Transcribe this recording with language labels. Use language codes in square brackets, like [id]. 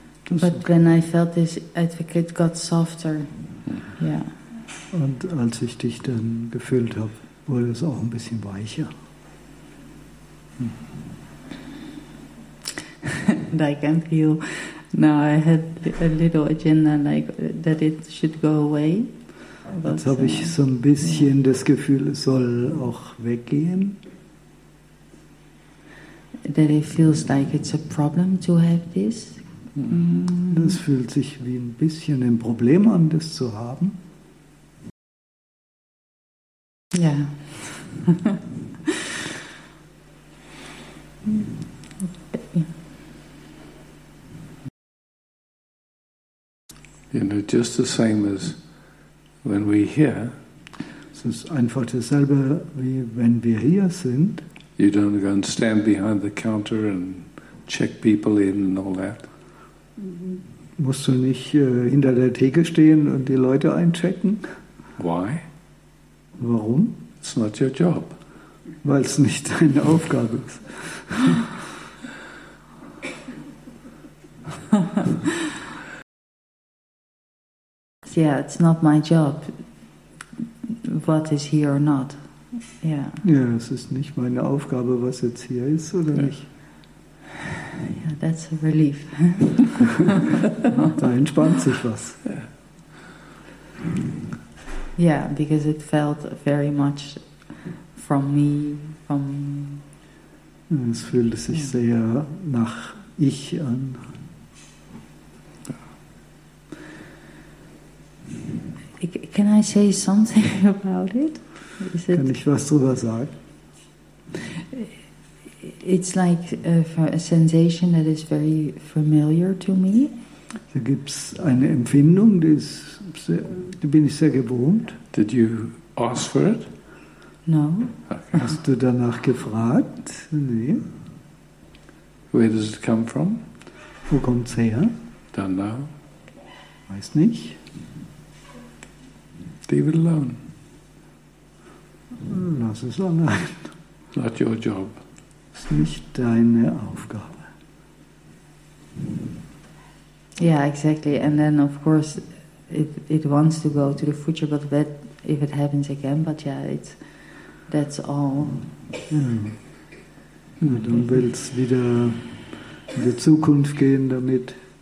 [en] But then I felt this advocate got softer. Yeah. [de] Und als ich dich dann gefühlt habe, wurde es auch ein bisschen weicher. [en] And I can feel now I had a little agenda like that it should go away. [de] Jetzt habe ich so ein bisschen das Gefühl, es soll auch weggehen. [en] That it feels like it's a problem to have this. [de] Das fühlt sich wie ein bisschen ein Problem an, das zu haben. Ja. [en] You know, just the same as when we're here. [de] Es ist einfach dasselbe wie wenn wir hier sind. [en] You don't go and stand behind the counter and check people in and all that. [de] Musst du nicht hinter der Theke stehen und die Leute einchecken? [en] Why? [de] Warum? [en] It's not your job. [de] Weil es nicht deine Aufgabe ist. [en] Yeah, it's not my job what is here or not. Yeah. [de] Ja, es ist nicht meine Aufgabe, was jetzt hier ist oder nicht. [en] Yeah, that's a relief. [de] Da entspannt sich was. [en] Yeah, because it felt very much from me, from. [de] Es fühlte sich sehr nach ich an. [en] Can I say something about it? Is it? [de] Kann ich was drüber sagen? [en] It's like a sensation that is very familiar to me. [de] Da gibt's eine Empfindung, die bin ich sehr gewohnt. [en] Did you ask for it? No. [de] Okay. Hast du danach gefragt? Nee. [en] Where does it come from? [de] Wo kommt's her? [en] Don't know. [de] Weiß nicht. [en] Leave it alone. [de] Lass es allein. [en] Not your job. [de] Ist nicht deine Aufgabe. [en] Yeah, exactly. And then, of course, it wants to go to the future, but that if it happens again, but yeah, it's that's all. [de] Ja, du willst wieder in die Zukunft gehen damit.